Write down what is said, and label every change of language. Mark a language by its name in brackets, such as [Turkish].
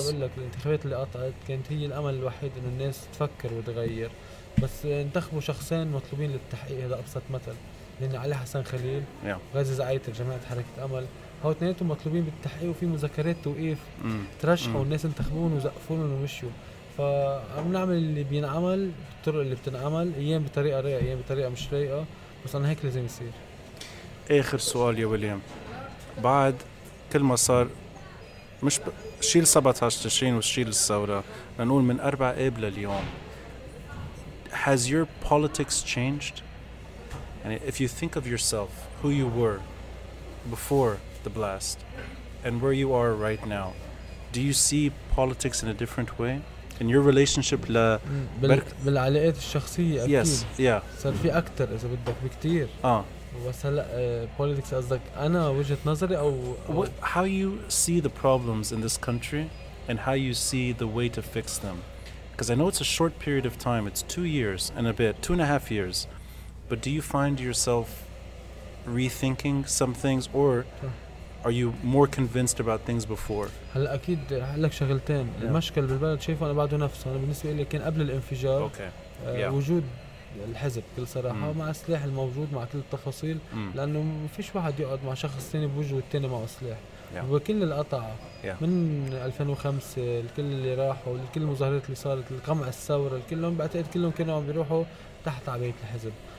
[Arabic] بقول لك الانتخابات اللي قطعت كانت هي الامل الوحيد انه الناس تفكر وتغير بس انتخبوا شخصين مطلوبين للتحقيق هذا أبسط مثل لأن علي حسن خليل غازي زعيت جماعة حركة أمل هو اثنينتهم مطلوبين بالتحقيق وفي مذكرات توقيف ترشحوا والناس انتخبون وزقفونهم ومشوا فعم نعمل اللي بينعمل بالطرق اللي بتنعمل أيام بطريقة رائعة أيام بطريقة مش رائعة بس أنا هيك لازم يصير آخر سؤال يا وليام بعد كل ما صار مش شيل 17 تشرين وشيل الثورة لنقول من 4 آب لليوم [English] Has your politics changed? And if you think of yourself, who you were before the blast, and where you are right now, do you see politics in a different way? In your relationship, la [Arabic] بالعلاقات الشخصية أكيد. [English] Yes. Yeah. [Arabic] صار في أكتر إذا بدك بكتير. بس هلا politics قصدك انا وجهة نظري او [English] how you see the problems in this country and how you see the way to fix them, because I know it's a short period of time, it's 2 years and a bit, 2.5 years, but do you find yourself rethinking some things or are you more convinced about things before? [Arabic] هلا اكيد لك شغلتين المشكل بالبلد شايفه انا بعده نفسه انا بالنسبه لي كان قبل الانفجار وجود الحزب بكل صراحة مع السلاح الموجود مع كل التفاصيل لأنه مفيش واحد يقعد مع شخص تاني بوجه والتاني مع سلاح وكل القطع من 2005 الكل اللي راحوا والكل المظاهرات اللي صارت القمع الثورة الكلهم بعتقد كلهم كانوا عم بيروحوا تحت عباية الحزب